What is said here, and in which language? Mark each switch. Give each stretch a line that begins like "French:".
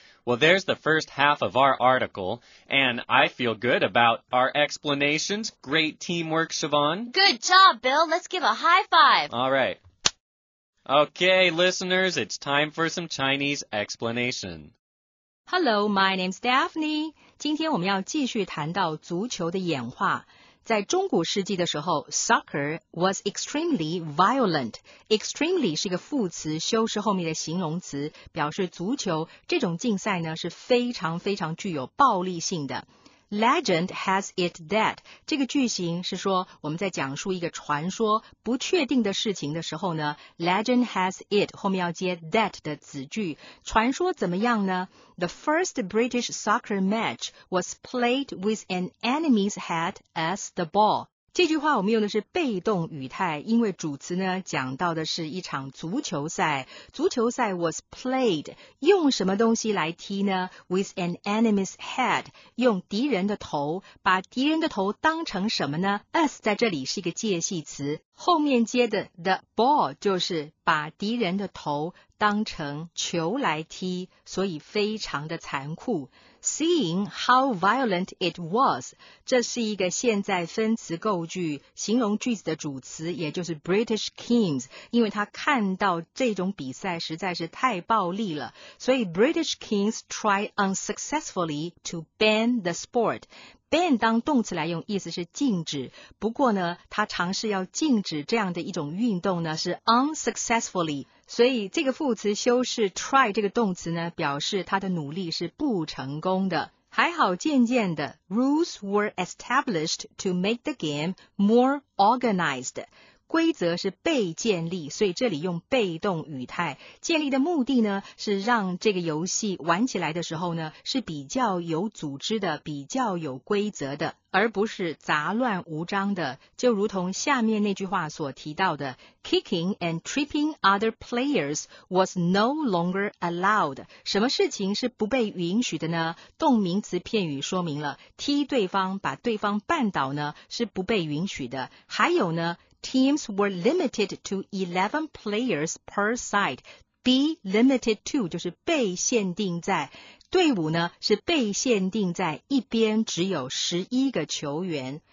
English: Well, there's the first half of our article, and I feel good about our explanations. Great teamwork, Siobhan. Good job, Bill. Let's give a high five. All right. Okay, listeners, it's time for some Chinese explanation. Hello, my name's Daphne.
Chinese: 今天我们要继续谈到足球的演化。在中古世纪的时候
English: ,soccer was extremely violent.
Chinese: Extremely 是一个副词，修饰后面的形容词，表示足球这种竞赛呢是非常非常具有暴力性的。
English: Legend has it that,
Chinese: 这个句型是说我们在讲述一个传说不确定的事情的时候呢 ,
English: legend has it,
Chinese: 后面要接 that 的子句。传说怎么样呢
English: ?The first British soccer match was played with an enemy's head as the ball.
Chinese: 这句话我们用的是被动语态，因为主词呢讲到的是一场足球赛。足球赛
English: was played,
Chinese: 用什么东西来踢呢 ?
English: With an enemy's head,
Chinese: 用敌人的头，把敌人的头当成什么呢 ?As 在这里是一个介系词，后面接的 the ball 就是把敌人的头当成球来踢，所以非常的残酷。
English: Seeing how violent it was,
Chinese: 这是一个现在分词构句，形容句子的主词，也就是
English: British Kings, 因为他看到这种比赛实在是太暴力了，所以 British Kings try unsuccessfully to ban the sport.
Chinese: Ban 当动词来用，意思是禁止。不过呢，他尝试要禁止这样的一种运动呢，是 unsuccessfully。所以这个副词修饰 try 这个动词呢，表示他的努力是不成功的。还好渐渐的
English: ,rules were established to make the game more organized。
Chinese: 规则是被建立，所以这里用被动语态。建立的目的呢，是让这个游戏玩起来的时候呢，是比较有组织的，比较有规则的，而不是杂乱无章的。就如同下面那句话所提到的
English: ,kicking and tripping other players was no longer allowed.
Chinese: 什么事情是不被允许的呢？动名词片语说明了，踢对方，把对方绊倒呢，是不被允许的。还有呢，
English: Teams were limited to 11 players per side.
Chinese: Be limited to 就是被限定在，队伍呢是被限定在一边只有11个球员。